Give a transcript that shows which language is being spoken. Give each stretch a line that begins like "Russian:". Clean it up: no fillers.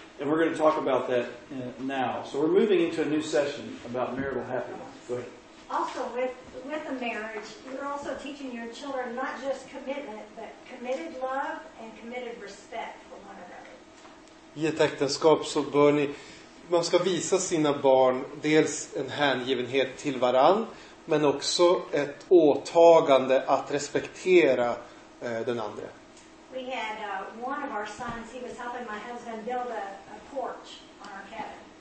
English: And we're going to talk about that now. So we're moving into a new session about marital happiness. Go ahead. Also, with a marriage, you're also teaching your children not just commitment, but committed love and committed respect for one another.
Swedish: I ett äktenskap så bör ni, man ska visa sina barn dels en hängivenhet till varann, men också ett åtagande att respektera den andra.
English: We had one of our sons, he was helping my husband build a porch on our cabin.